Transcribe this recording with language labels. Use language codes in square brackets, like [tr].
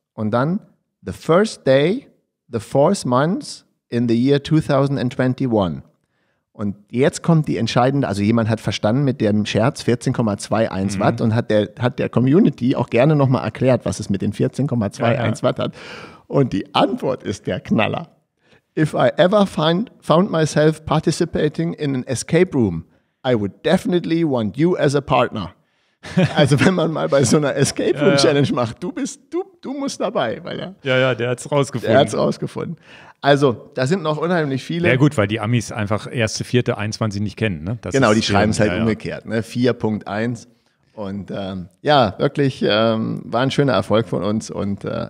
[de] Und dann, [en] the first day, the fourth month, in the year 2021. [de] Und jetzt kommt die entscheidende, also jemand hat verstanden mit dem Scherz 14,21 Watt und hat der Community auch gerne nochmal erklärt, was es mit den 14,21 Watt hat. Und die Antwort ist der Knaller. [en] If I ever found myself participating in an escape room, I would definitely want you as a partner. [de] Also wenn man mal bei so einer Escape Room Challenge macht, du musst dabei. Weil der hat es rausgefunden. Also, da sind noch unheimlich viele. Ja gut, weil die Amis einfach 1.4.21 nicht kennen. Ne? Das genau, die schreiben es halt umgekehrt. Ne? 4.1. Und wirklich, war ein schöner Erfolg von uns. Und